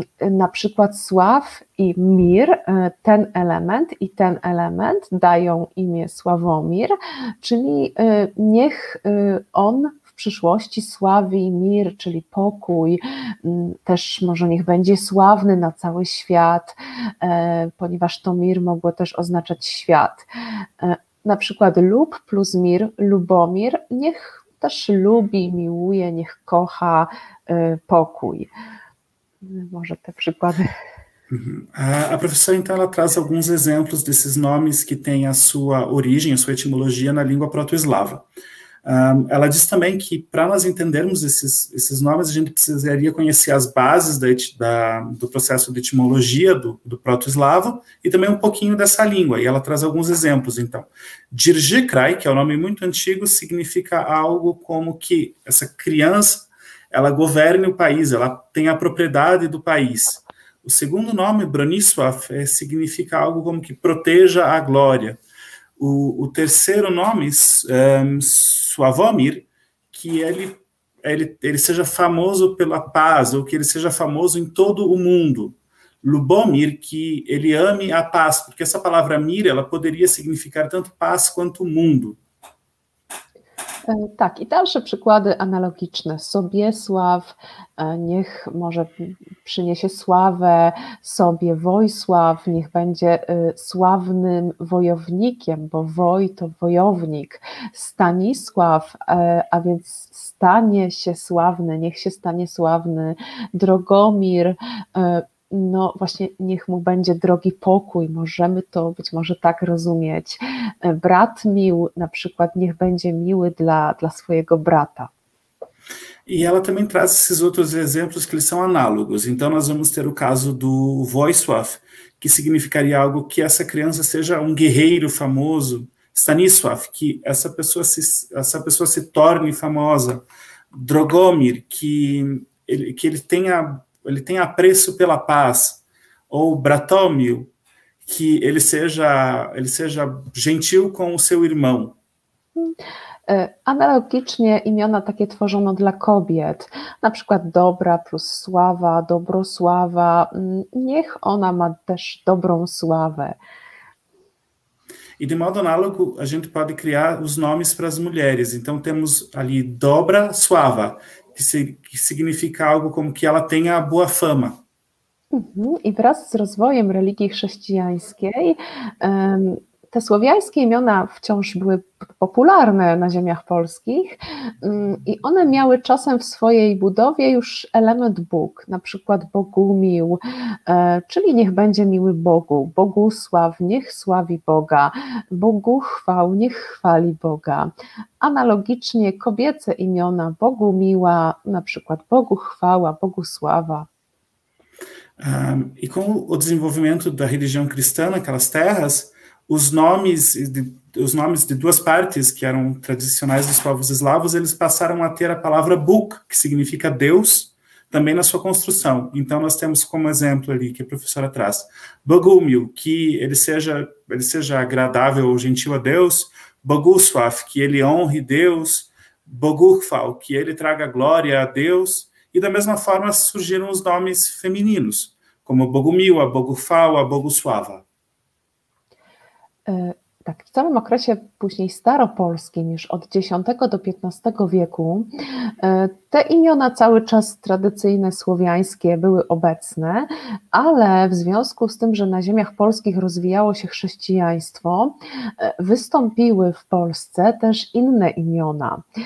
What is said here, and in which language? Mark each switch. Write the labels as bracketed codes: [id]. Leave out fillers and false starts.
[pl] Na przykład sław i mir, ten element dają imię Sławomir, czyli niech on w przyszłości sławi mir, czyli pokój, też może niech będzie sławny na cały świat, ponieważ to mir mogło też oznaczać świat. Na przykład lub plus mir, Lubomir, niech też lubi, miłuje, niech kocha pokój. Może te przykłady. [pt] A professora, então, ela traz alguns exemplos desses nomes que têm a sua origem, a sua etimologia na língua proto-eslava. Ela diz também que para nós entendermos esses nomes, a gente precisaria conhecer as bases do processo de etimologia do proto-eslavo e também um pouquinho dessa língua. E ela traz alguns exemplos, então. Dirgikrai, que é um nome muito antigo, significa algo como que essa criança, ela governe o país, ela tem a propriedade do país. O segundo nome, Bronislav, significa algo como que proteja a glória. O terceiro nome, Suavomir, que ele seja famoso pela paz, ou que ele seja famoso em todo o mundo. Lubomir, que ele ame a paz, porque essa palavra mir, ela poderia significar tanto paz quanto mundo. [pl] Tak, i dalsze przykłady analogiczne. Sobiesław, niech może przyniesie sławę, sobie Wojsław, niech będzie sławnym wojownikiem, bo Woj to wojownik. Stanisław, a więc stanie się sławny, niech się stanie sławny. Drogomir, no właśnie niech mu będzie drogi pokój, możemy to być może tak rozumieć. Brat mił, na przykład, niech będzie miły dla swojego brata. [pt] I ela também traz esses outros exemplos que eles são análogos. Então nós vamos ter o caso do Wojsław, que significaria algo que essa criança seja um guerreiro famoso. Stanisław, que essa pessoa se torne famosa. Drogomir, que ele tenha apreço pela paz, ou Bratomil, que ele seja gentil com o seu irmão. [pl] Analogicznie imiona takie tworzono dla kobiet, na przykład Dobra plus Sława, Dobrosława, niech ona ma też dobrą sławę. [pt] E de modo análogo, a gente pode criar os nomes para as mulheres, então temos ali Dobra, Sława, que significa algo como que ela tenha a boa fama. [pl] I wraz z rozwojem religii chrześcijańskiej te słowiańskie imiona wciąż były popularne na ziemiach polskich i one miały czasem w swojej budowie już element Bóg, na przykład Bogumił, czyli niech będzie miły Bogu, Bogusław, niech sławi Boga, Boguchwał, niech chwali Boga. Analogicznie kobiece imiona Bogumiła, na przykład Boguchwała, Bogusława. [pt] I com o desenvolvimento da religião cristã naquelas terras, os nomes de duas partes, que eram tradicionais dos povos eslavos, eles passaram a ter a palavra Bog, que significa Deus, também na sua construção. Então nós temos como exemplo ali, que a professora traz, Bogumil, que ele seja agradável ou gentil a Deus, Bogusław, que ele honre Deus, Boguchwał, que ele traga glória a Deus, e da mesma forma surgiram os nomes femininos, como Bogumil, a Boguchwała, a Bogusława. [pl] Tak, w całym okresie później staropolskim, już od X do XV wieku, te imiona cały czas tradycyjne, słowiańskie były obecne, ale w związku z tym, że na ziemiach polskich rozwijało się chrześcijaństwo, wystąpiły w Polsce też inne imiona.